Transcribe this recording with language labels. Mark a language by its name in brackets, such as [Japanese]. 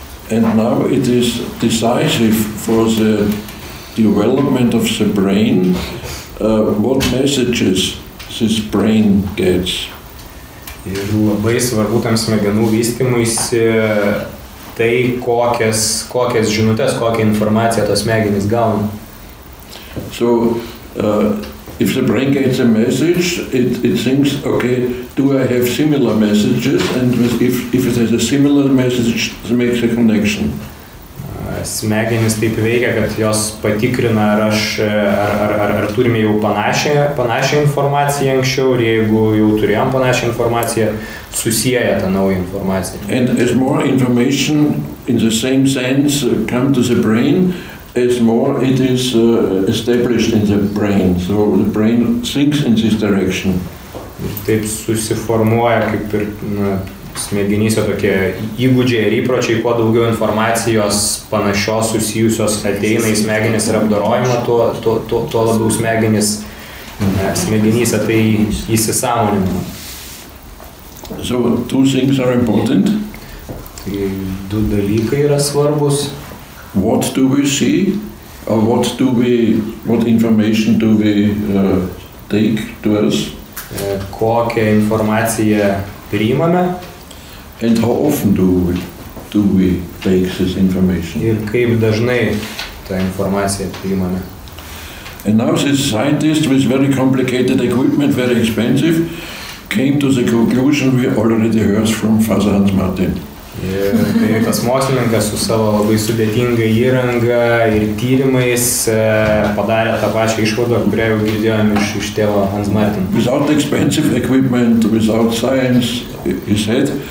[English] And now it is decisive for the development of the brain, what messages this brain gets. [Lithuanian] Ir labai svarbu tam smegenų vystymuisi tai, kokias žinutės, kokią informaciją tos smegenys gauna. [English] So, if the brain gets a message, it thinks, okay, do I have similar messages? And if it has a similar message, it makes a connection. [Lithuanian] Smegenys taip veikia, kad jos patikrina, ar turime jau panašią informaciją anksčiau, ir jeigu jau turėjom panašią informaciją, susieja tą naują informaciją. [English] And as more information in the same sense come to the brain, as more it is established in the brain, so the brain thinks in this direction. [Lithuanian] Taip susiformuoja kaip ir smegenyse tokie įgūdžiai ir įpročiai, kuo daugiau informacijos panašios susijusios ateina į smegenis ir apdorojimą, tuo labiau smegenyse tai įsisąmonimo. [English] So two things are important. [Lithuanian] Tai du dalykai yra svarbus. [English] What do we see, or what information do we take to us? [Lithuanian] kokią informaciją priimame. [English] And how often do we take this information? [Lithuanian] Ir kaip dažnai tą informaciją priimame. [English] And now this scientist with very complicated equipment, very expensive, came to the conclusion we already heard from Father Hans Martin. [Lithuanian] Ir tas mokslininkas su savo labai sudėtinga įranga ir tyrimais padarė tą pačią išvadą, kurią jau girdėjom iš tėvo Hans Martin. [English] Without expensive equipment, without science, he said,